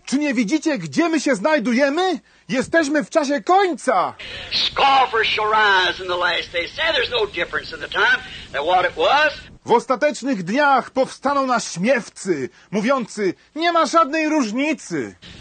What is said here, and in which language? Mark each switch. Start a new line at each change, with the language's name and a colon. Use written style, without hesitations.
Polish: Czy nie widzicie, gdzie my się znajdujemy? Jesteśmy w czasie końca.
English: Scoffers shall rise in the last days. Say there's no difference in the time than what it was.
Polish: W ostatecznych dniach powstaną naśmiewcy, mówiący, nie ma żadnej różnicy.